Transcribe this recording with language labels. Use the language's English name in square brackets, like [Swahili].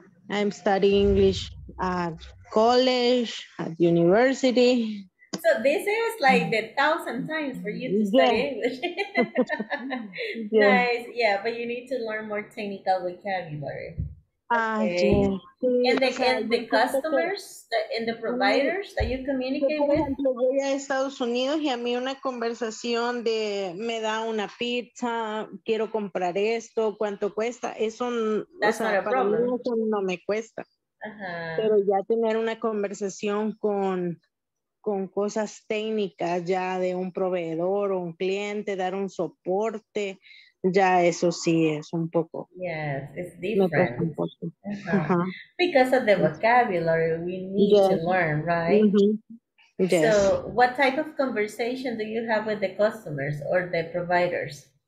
[English] I'm studying English at college, at university. So this is like the thousand times for you to study English. Yeah. Nice. Yeah, but you need to learn more technical vocabulary. Okay. And the customers and the providers that you communicate with. [Spanish] Voy a Estados Unidos y a mí una conversación de me da una pizza, quiero comprar esto, ¿cuánto cuesta? Eso no me cuesta. Uh-huh. Pero ya tener una conversación con cosas técnicas ya de un proveedor o un cliente, dar un soporte, ya eso sí es un poco. [English] Yes, it's different. [Spanish] Un poco. Uh-huh. Uh-huh. [English] Because of the vocabulary we need to learn, right? Mm-hmm. Yes. So what type of conversation do you have with the customers or the providers?